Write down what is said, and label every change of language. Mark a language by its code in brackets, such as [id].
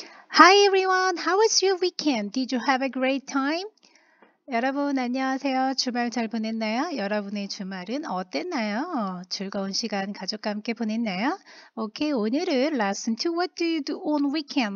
[en] Hi everyone, how was your weekend? Did you have a great time? [ko] 여러분, 안녕하세요. 주말 잘 보냈나요? 여러분의 주말은 어땠나요? 즐거운 시간 가족과 함께 보냈나요? [en] Okay, [ko] 오늘은 [en] lesson 2. What do you do on weekend?